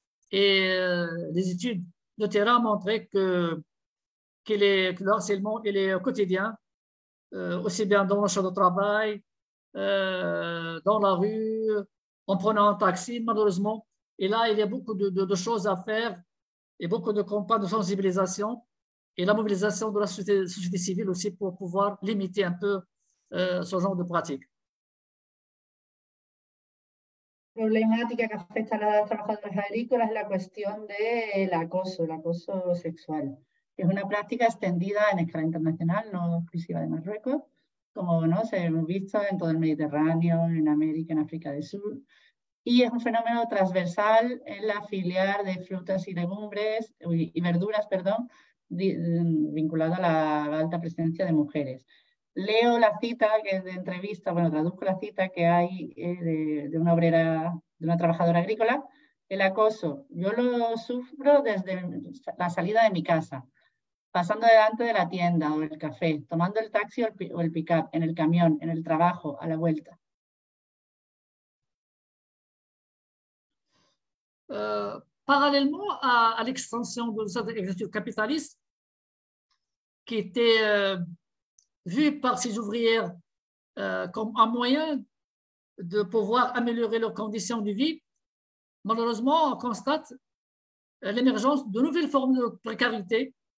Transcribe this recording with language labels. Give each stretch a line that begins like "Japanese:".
French: Et les études de terrain montrer que le harcèlement il est quotidien, aussi bien dans le champ de travail, dans la rue, en prenant un taxi, malheureusement. Et là, il y a beaucoup de choses à faire et beaucoup de campagnes de sensibilisation et la mobilisation de la société civile aussi pour pouvoir limiter un peu ce genre de pratique.
Spanish: Problemática que afecta a las trabajadoras agrícolas es la cuestión del acoso, el acoso sexual. Es una práctica extendida en escala internacional, no exclusiva de Marruecos, como ¿no? se ha visto en todo el Mediterráneo, en América, en África del Sur, y es un fenómeno transversal en la filial de frutas y legumbres, y verduras, perdón, vinculado a la alta presencia de mujeres. Leo la cita que es de entrevista, bueno, traduzco la cita que hay de una obrera, de una trabajadora agrícola. El acoso, yo lo sufro desde la salida de mi casa, pasando delante de la tienda o el café, tomando el taxi o el pick-up, en el camión, en el trabajo, a la vuelta. Uh,
French: parallèlement à l'extension de cette agriculture capitaliste qui était vue par ces ouvrières comme un moyen de pouvoir améliorer leurs conditions de vie, malheureusement, on constate l'émergence de nouvelles formes de précarité.